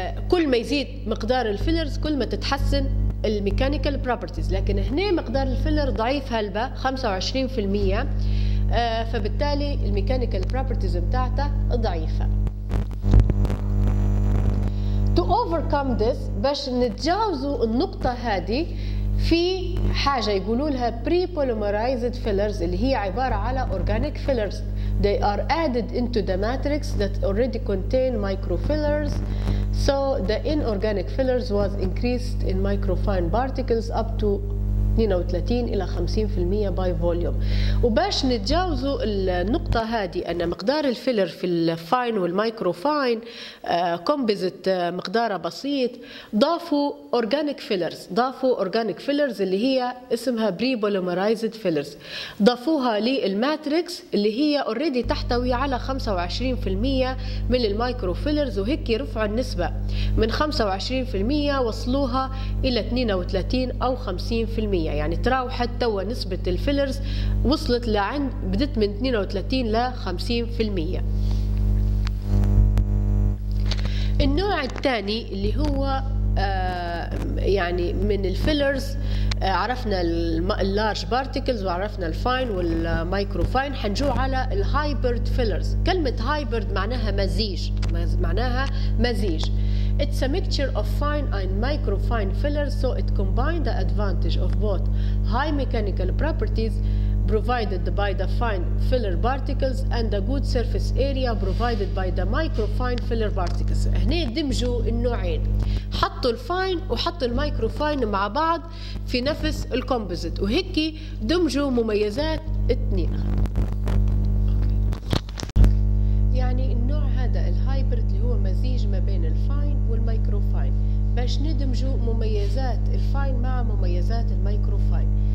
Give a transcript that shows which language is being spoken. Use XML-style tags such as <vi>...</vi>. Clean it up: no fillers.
<ar>كل ما يزيد مقدار الفيلرز كل ما تتحسن الميكانيكال بروبرتيز، لكن هنا مقدار الفيلر ضعيف هلبة 25%، فبالتالي الميكانيكال بروبرتيز بتاعته ضعيفة.</ar> <en>To overcome this،</en> <ar>باش نتجاوزوا النقطة هذه، في حاجة يقولولها pre-polymerized fillers اللي هي عبارة على organic fillers.</ar> <en>They are added into the matrix that already contain microfillers. So the inorganic fillers was increased in microfine particles up to 32-50% by volume.</en> <ar>وباش نتجاوزوا النقطة هذه أن مقدار الفيلر في الفاين والمايكروفاين كومبوزيت مقدارها بسيط، ضافوا أورجانيك فيلرز، ضافوا أورجانيك فيلرز اللي هي اسمها بري بوليمرايزد فيلرز، ضافوها للماتريكس اللي هي أوريدي تحتوي على 25% من المايكروفيلرز، وهيك رفعوا النسبة من 25% وصلوها إلى 32 أو 50%، يعني تراوحت توا نسبة الفيلرز وصلت لعند بدت من 32 ل 50%. النوع الثاني اللي هو يعني من الفيلرز، عرفنا اللارج بارتيكلز وعرفنا الفاين والمايكروفاين، حنجو على الهايبرد فيلرز. كلمة هايبرد معناها مزيج، معناها مزيج.</ar> <en>It's a mixture of fine and microfine fillers, so it combines the advantage of both high mechanical properties provided by the fine filler particles and the good surface area provided by the microfine filler particles.</en> <ar>هنا دمجوا النوعين، حطوا الفاين وحطوا المايكروفاين مع بعض في نفس الكومبوزيت، وهيك دمجوا مميزات اثنين. يعني النوع هذا الهايبرد اللي هو مزيج ما بين الفاين والمايكروفاين، باش ندمجوا مميزات الفاين مع مميزات المايكروفاين.</ar>